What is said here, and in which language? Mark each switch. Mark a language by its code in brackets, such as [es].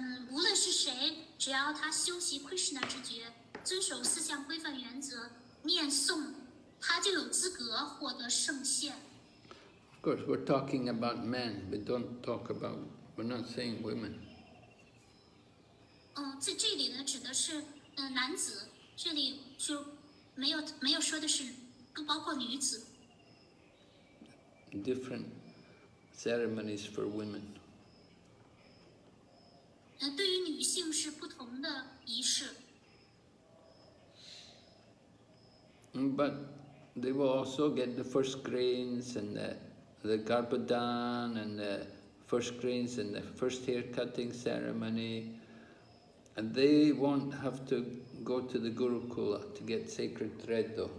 [zh] 无论是谁，只要他修习 Krishna 之觉，遵守四项规范原则，念诵，他就有资格获得圣限。 [en] Of course, we're talking about men, we don't talk about, we're not saying women. [zh] 在这里呢指的是男子，这里就没有说的是不包括女子。 [en] Different ceremonies for women. [zh] 对于女性是不同的仪式。 [en] But they will also get the first grains and the garbhadan and the first grains and the first hair cutting ceremony, and they won't have to go to the Gurukula to get sacred thread though.